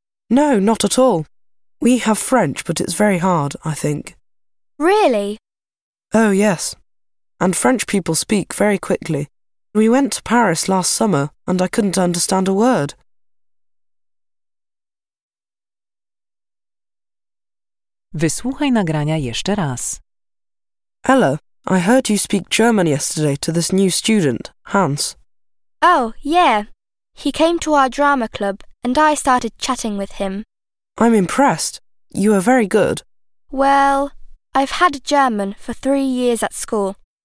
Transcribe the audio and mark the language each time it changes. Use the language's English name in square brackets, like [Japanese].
[English] No, not at all. We have French, but it's very hard, I think. Really? Oh, yes. And French people speak very quickly. We went to Paris last summer and I couldn't understand a word. [Polish] Wysłuchaj nagrania jeszcze raz. [English] Ella, I heard you speak German yesterday to this new student, Hans. Oh, yeah. He came to our drama club and I started chatting with him. I'm impressed. You are very good. Well, I've had German for 3 years at school.